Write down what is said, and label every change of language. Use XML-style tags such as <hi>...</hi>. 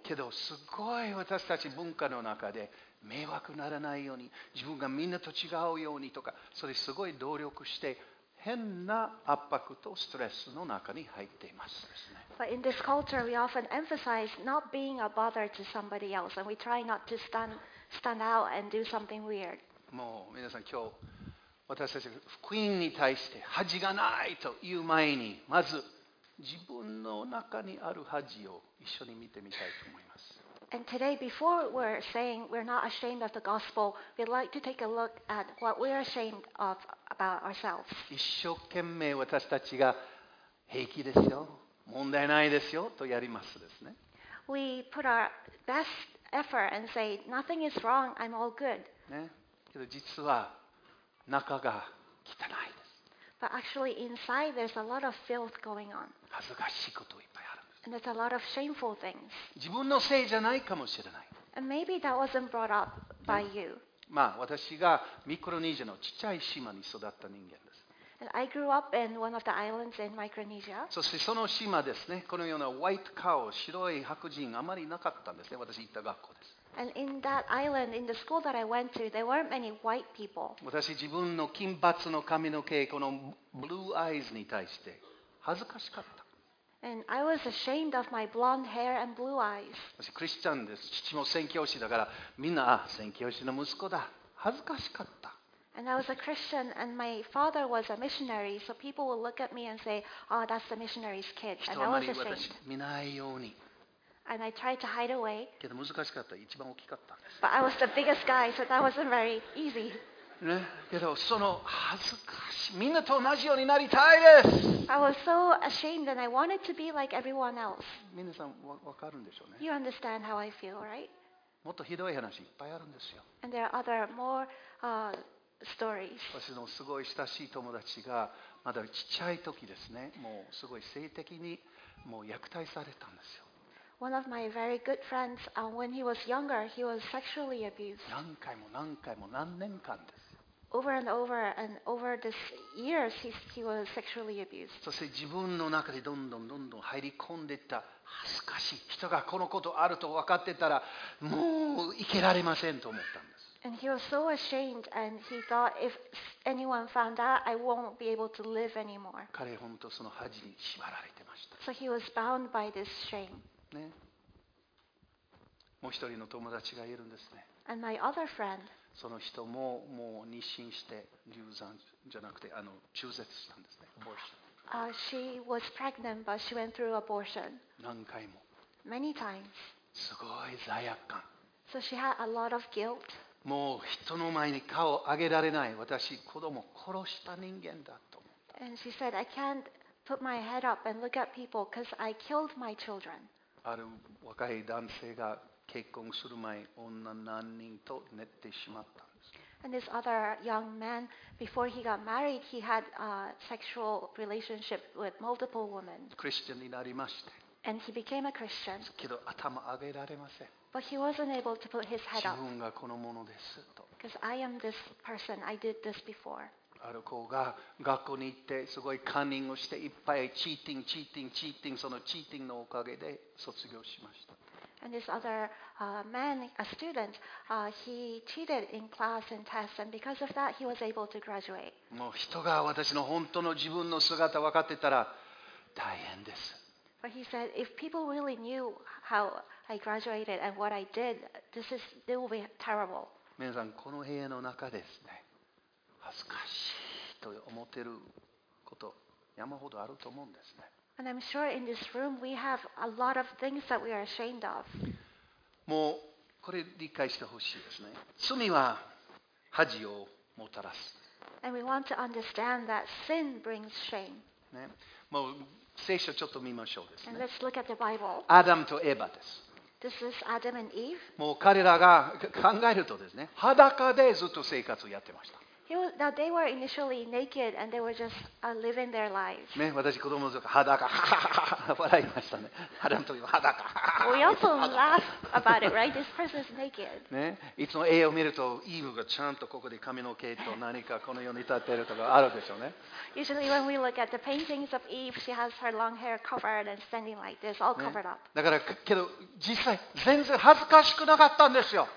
<ja>けどすごい私たち文化の中で迷惑ならないように自分がみんなと違うようにとかそれすごい努力して変な圧迫とストレスの中に入っていますですね。</ja> <en>But in this culture, we often emphasize not being a bother to somebody else, and we try not to stand out and do something weird.</en> <ja>もう皆さん今日。私たち福音に対して恥がないという前にまず自分の中にある恥を一緒に見てみたいと思います。</ja> <en>And today, before we're saying we're not ashamed of the gospel, we'd like to take a look at what we're ashamed of about ourselves.</en> <ja>一生懸命私たちが平気ですよ、問題ないですよとやりますですね。</ja> <en>We put our best effort and say nothing is wrong. I'm all good.</en> <ja>ね、けど実は中が汚いです。</ja> <en>But actually inside there's a lot of filth going on.</en> <ja>恥ずかしいこといっぱいあるんです。</ja> <en>And there's a lot of shameful things.</en> <ja>自分のせいじゃないかもしれない。</ja> <en>And maybe that wasn't brought up by you.</en> <ja>まあ私がミクロネシアのちっちゃい島に育った人間です。</ja> <en>And I grew up in one of the islands in Micronesia.</en> <ja>そしてその島ですね、このようなホワイトカオ、白い白人あまりなかったんですね、私行った学校です。</ja> <en>And in that island, in the school that I went to, there weren't many white people.</en> <ja>私自分の金髪の髪の毛、この</ja> <en>blue eyes</en> <ja>に対して恥ずかしかった。</ja> <en>And I was ashamed of my blonde hair and blue eyes.</en> <ja>私クリスチャンです。父も宣教師だから、みんな、あ、宣教師の息子だ。恥ずかしかった。</ja> <en>And I was a Christian and my father was a missionary, so people would look at me and say, oh, that's the missionary's kid. And I was ashamed.</en> <ja>人あまり私見ないように。</ja> <en>And I tried to hide away.</en> <ja>けど難しかった。一番大きかったんです。</ja> <en>But I was the biggest guy, so that wasn't very easy.</en> <ja>ね、けどその恥ずかしい。みんなと同じようになりたいです。</ja> <en>I was so ashamed and I wanted to be like everyone else.</en> <ja>みなさん分かるんでしょうね。</ja> <en>You understand how I feel, right?</en> <ja>もっとひどい話いっぱいあるんですよ。</ja> <en>And there are other more, stories.</en> <ja>私のすごい親しい友達がまだちっちゃい時ですね、もうすごい性的にもう虐待されたんですよ。</ja> <en>One of my very good friends, when he was younger, he was sexually abused.</en> <ja>何回も何回も何年間です。</ja> <en>Over and over and over this years, he was sexually abused.</en> <ja>そして自分の中でどんどんどんどん入り込んでいった恥ずかしい人がこのことあると分かってたらもう生きられませんと思ったんです。</ja> <en>And he was so ashamed, and he thought if anyone found out, I won't be able to live anymore.</en> <ja>彼本当その恥に縛られてました。</ja> <en>So he was bound by this shame.</en> <ja>ね、もう一人の友達がいるんですね。</ja> <en>And my other friend,</en> <ja>その人ももう妊娠して流産じゃなくて中絶したんですね。</ja> <en>She was pregnant, but she went through abortion.</en> <ja>何回も。</ja> <en>Many times.</en> <ja>すごい罪悪感。</ja> <en>So she had a lot of guilt.</en> <ja>もう人の前に顔を上げられない。私子供を殺した人間だと。</ja> <en>And she said, I can't put my head up and look at people because I killed my children.</en> <ja>ある若い男性が結婚する前、女何人と寝てしまったんです。</ja> <en>And this other young man, before he got married, he had a sexual relationship with multiple women.</en> <ja>クリスチャンになりまして。</ja> <en>And he became a Christian.</en> <ja>けど頭上げられません。</ja> <en>But he wasn't able to put his head up.</en> <ja>自分がこのものですと。</ja> <en>Because I am this person. I did this before.</en> <ja>ある子が学校に行ってすごいカンニングをしていっぱいチーティングチーティングチーティングそのチーティングのおかげで卒業しました。</ja> <en>And this other man, a student, he cheated in class and tests, and because of that, he was able to graduate.</en> <ja>もう人が私の本当の自分の姿分かってたら大変です。</ja> <en>But he said, if people really knew how I graduated and what I did, this is, it will be terrible.</en> <ja>皆さんこの部屋の中ですね、恥ずかしいと思っていること山ほどあると思うんですね。</ja> <en>And I'm sure in this room we have a lot of things that we are ashamed of.</en> <ja>もうこれ理解してほしいですね。罪は恥をもたらす。</ja> <en>And we want to understand that sin brings shame.</en> <ja>ね、もう聖書ちょっと見ましょうですね。</ja> <en>And let's look at the Bible.</en> <ja>アダムとエバです。</ja> <en>This is Adam and Eve.</en> <ja>もう彼らが考えるとですね、裸でずっと生活をやってました。</ja> <en>Now they were initially naked and they were just living their lives.</en> <ja>ね、私子供の時は裸、笑いましたね。アダムと言えば裸。</ja> <en>We also laugh about it, right? This person is naked.</en> <ja>ね、いつも絵を見るとイーブがちゃんとここで髪の毛と何かこのように立っているとかあるでしょうね。</ja> <en>Usually when we look at the paintings of Eve, she has her long hair covered and standing like this, all covered up.、</en> <ja>ね、だからけど実際全然恥ずかしくなかったんですよ。</ja>